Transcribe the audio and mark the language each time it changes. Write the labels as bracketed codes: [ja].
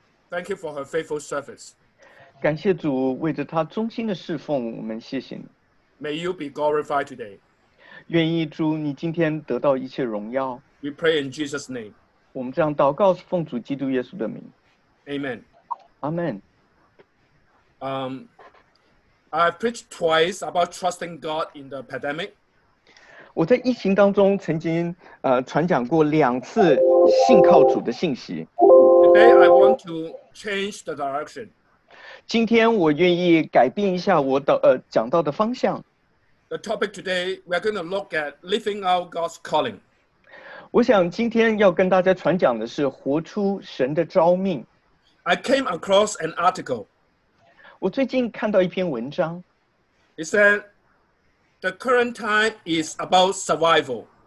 [en] Thank you for her faithful service. [zh] 感谢主为着她忠心的侍奉，我们谢谢你。 [en] May you be glorified today. [zh] 愿意主你今天得到一切荣耀。 [en] We pray in Jesus' name. [zh] 我们这样祷告是奉主基督耶稣的名。 [en] Amen. Amen. I've preached twice about trusting God in the pandemic. [zh] 我在疫情当中曾经传讲过两次信靠主的信息。 [en] Today I want to change the direction. [zh] 今天我愿意改变一下我讲到的方向。 [en] The topic today, we are going to look at living out God's calling. [zh] 我想今天要跟大家传讲的是活出神的召命。 [en] I came across an article. [zh] 我最近看到一篇文章。 [en] It said, the current time is about survival.